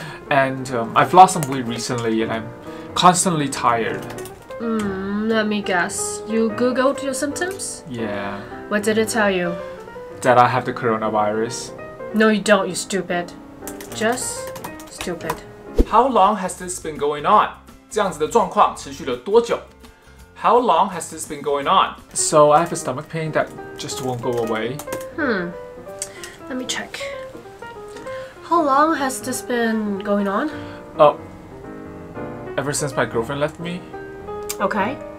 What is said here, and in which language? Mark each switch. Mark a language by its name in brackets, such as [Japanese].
[English] And I've lost some weight recently and I'm constantly tired. Let me guess. You googled your symptoms? Yeah. What did it tell you? That I have the coronavirus. No, you don't, you stupid. Just stupid. How long has this been going on? [Chinese] 这样子的状况持续了多久? [English] How long has this been going on? So I have a stomach pain that just won't go away. Let me check. How long has this been going on? Ever since my girlfriend left me. Okay.